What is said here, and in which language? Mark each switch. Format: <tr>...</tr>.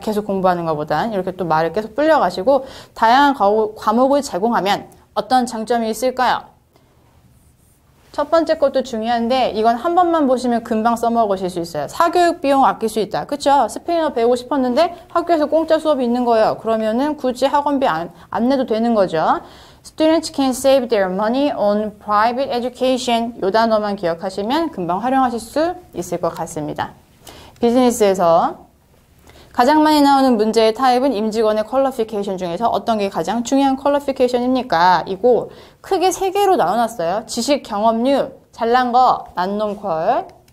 <ko>계속 공부하는 것보단 이렇게 또 말을 계속 풀려가시고 다양한 과목을 제공하면 어떤 장점이 있을까요? 첫 번째 것도 중요한데 이건 한 번만 보시면 금방 써먹으실 수 있어요. 사교육 비용 아낄 수 있다. 그쵸? 스페인어 배우고 싶었는데 학교에서 공짜 수업이 있는 거예요. 그러면은 굳이 학원비 안 내도 되는 거죠.</ko> <en>Students can save their money on private education.</en> <ko>요 단어만 기억하시면 금방 활용하실 수 있을 것 같습니다. 비즈니스에서 가장 많이 나오는 문제의 타입은 임직원의 퀄리피케이션 중에서 어떤 게 가장 중요한 퀄리피케이션입니까? 이고 크게 세 개로 나눠놨어요. 지식, 경험류, 잘난 거, 난놈퀄.</ko>